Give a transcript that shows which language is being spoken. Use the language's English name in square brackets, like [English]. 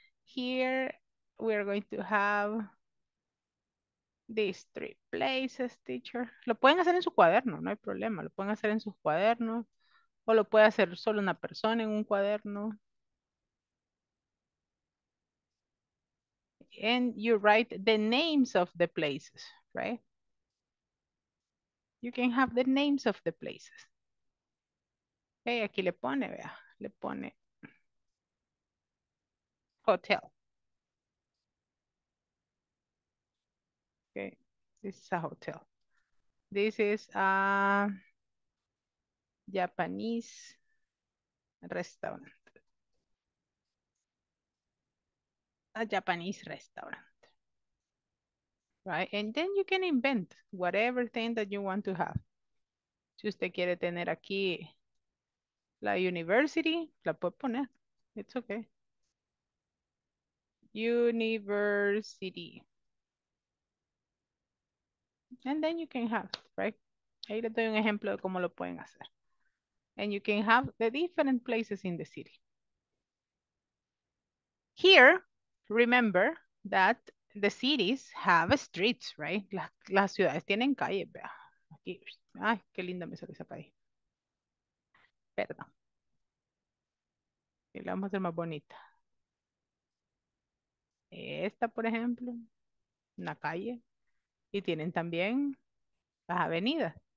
[English] Here we are going to have these 3 places, teacher. [Spanish] Lo pueden hacer en su cuaderno, no hay problema. Lo pueden hacer en sus cuadernos. O lo puede hacer solo una persona en un cuaderno. [English] And you write the names of the places, right? You can have the names of the places. [Spanish] Hey, aquí le pone, vea, le pone hotel. [English] Okay, this is a hotel. This is a Japanese restaurant. A Japanese restaurant, right? And then you can invent whatever thing that you want to have. [Spanish] Si usted quiere tener aquí la university, la puede poner. [English] It's okay. University. And then you can have, right? [Spanish] Ahí le doy un ejemplo de cómo lo pueden hacer. [English] And you can have the different places in the city. Here, remember that the cities have streets, right? [Spanish] Las ciudades tienen calles, vea. Aquí, ay, qué linda me salió esa calle. Perdón. Y la vamos a hacer más bonita. Esta, por ejemplo, una calle. Y tienen también las avenidas.